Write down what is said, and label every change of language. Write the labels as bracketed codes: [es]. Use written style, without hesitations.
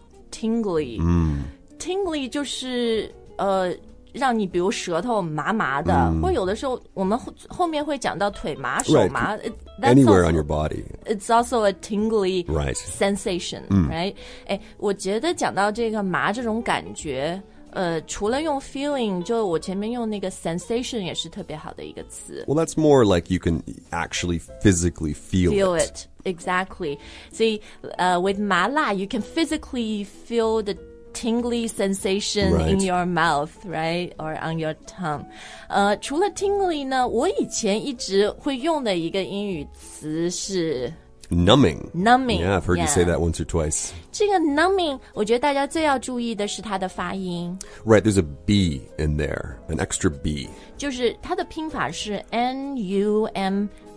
[zh] Tingly、Tingly 就是让你比如舌头麻麻的、或有的时候我们 后面会讲到腿麻手麻、 [en] Anywhere on your body. It's also a tingly、sensation、 [zh] 我觉得讲到这个麻这种感觉除了用 feeling， 就我前面用那个 sensation 也是特别好的一个词。 [en] Well, that's more like you can actually physically feel it. Feel it, exactly. See,、with 麻辣, you can physically feel the tingly sensation、in your mouth, right? Or on your tongue. [zh] 除了 tingly 呢，我以前一直会用的一个英语词是 [en] Numbing. Numbing. Yeah, I've heard、you say that once or twice. [zh] 这个 numbing, 我觉得大家最要注意的是它的发音。 [en] Right, there's a B in there, an extra B. [zh] 就是它的拼法是 N-U-M-B-I-N-G.